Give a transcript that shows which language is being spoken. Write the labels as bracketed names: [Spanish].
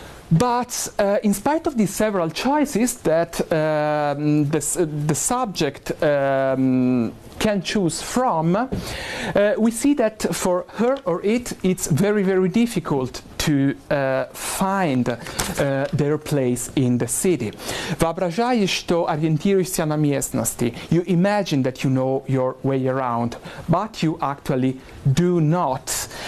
[English] But in spite of these several choices that the subject can choose from, we see that for her or it, it's very, very difficult to find their place in the city. [Russian] Воображаешь, что ориентируешься на местности. [English] You imagine that you know your way around, but you actually do not.